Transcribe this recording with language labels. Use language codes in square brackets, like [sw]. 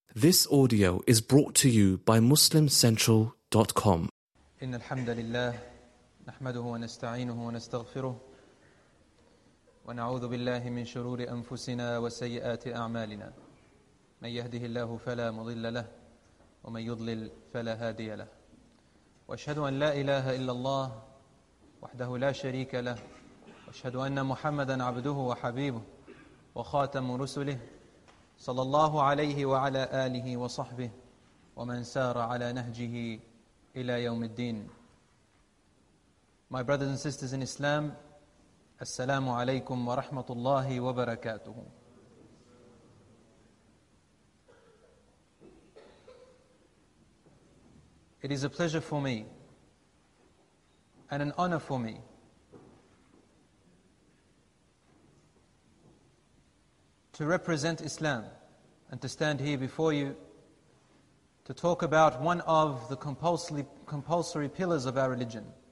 [en] This audio is brought to you by MuslimCentral.com. [ar] إن الحمد لله نحمده ونستعينه ونستغفره ونعوذ بالله من شرور أنفسنا وسيئات أعمالنا من يهده الله فلا مضل له ومن يضلل فلا هادي له وأشهد أن لا إله إلا الله وحده لا شريك له وأشهد أن محمدا عبده وحبيبه وخاتم رسله صلى الله عليه وعلى آله وصحبه ومن سار على نهجه إلى يوم الدين. [en] My brothers and sisters in Islam, [ar] السلام عليكم ورحمة الله وبركاته. [en] It is a pleasure for me and an honor for me to represent Islam and to stand here before you to talk about one of the compulsory pillars of our religion.